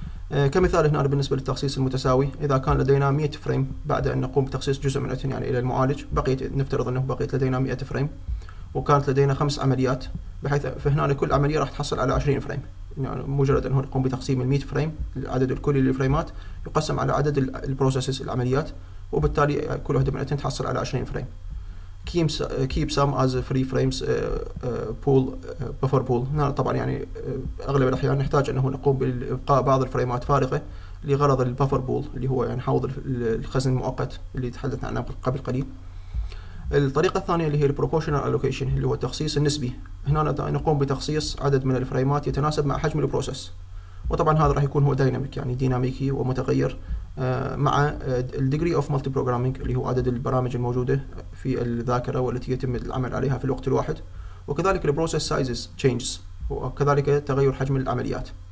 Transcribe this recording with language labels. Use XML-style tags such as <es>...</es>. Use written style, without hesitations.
<ar>كمثال هنا بالنسبة للتخصيص المتساوي، إذا كان لدينا 100 فريم بعد أن نقوم بتخصيص جزء منهم يعني إلى المعالج، بقيت نفترض أنه بقيت لدينا 100 فريم وكانت لدينا 5 عمليات، بحيث فهنا كل عملية راح تحصل على 20 فريم. يعني مجرد أنه نقوم بتقسيم 100 فريم، العدد الكلي للفريمات يقسم على عدد البروسيسز العمليات، وبالتالي كل واحدة منهم تحصل على 20 فريم.</ar> <en>keep some as free frames pool buffer pool.</en> <ar>نحن طبعا يعني اغلب الاحيان نحتاج انه نقوم بالابقاء بعض الفريمات فارغه لغرض البفر بول اللي هو يعني حوض الخزن المؤقت اللي تحدثنا عنه قبل قليل. الطريقه الثانيه اللي هي البروبورشنال الوكيشن اللي هو التخصيص النسبي. هنا نقوم بتخصيص عدد من الفريمات يتناسب مع حجم البروسيس، وطبعا هذا راح يكون هو دايناميك يعني ديناميكي ومتغير مع الديجري اوف مالتي بروجرامينج اللي هو عدد البرامج الموجوده في الذاكره والتي يتم العمل عليها في الوقت الواحد، وكذلك البروسيس سايزز تشينجز، وكذلك تغير حجم العمليات.</ar>